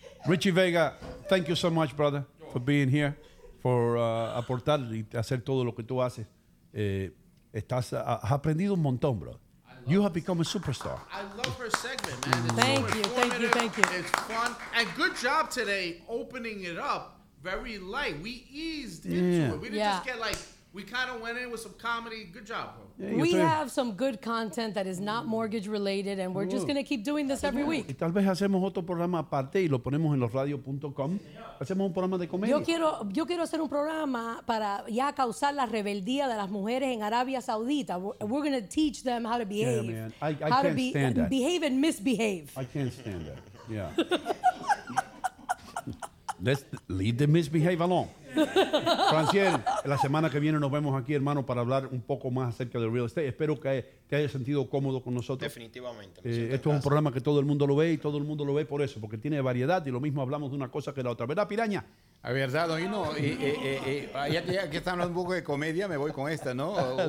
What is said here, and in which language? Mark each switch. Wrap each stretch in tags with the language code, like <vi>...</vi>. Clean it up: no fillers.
<en>Richie Vega, thank you so much, brother, for being here.</en> <es>Por aportar y hacer todo lo que tú haces. Has aprendido un montón, bro.</es> <en>You have become a superstar. I love her segment, man. Mm. Thank you. It's fun. And good job today opening it up very light. We eased into it. We didn't just get like, we kind of went in with some comedy. Good job, bro. We have some good content that is not mortgage related, and we're just going to keep doing this every week.</en> <es>Y tal vez hacemos otro programa aparte y lo ponemos en losradio.com. Hacemos un programa de comedia. Yo quiero hacer un programa para ya causar la rebeldía de las mujeres en Arabia Saudita.</es> <en>We're going to teach them how to behave. Yeah, man. I can't stand that. Behave and misbehave. I can't stand that. Yeah. Let's leave the misbehave alone.</en> <es>Franciel, la semana que viene nos vemos aquí, hermano, para hablar un poco más acerca del real estate. Espero que te hayas sentido cómodo con nosotros. Definitivamente. Esto es un programa que todo el mundo lo ve y todo el mundo lo ve por eso, porque tiene variedad y lo mismo hablamos de una cosa que la otra. ¿Verdad, Piraña? A ver, dado, y no, ya que están hablando un poco de comedia, me voy con esta, ¿no?</es>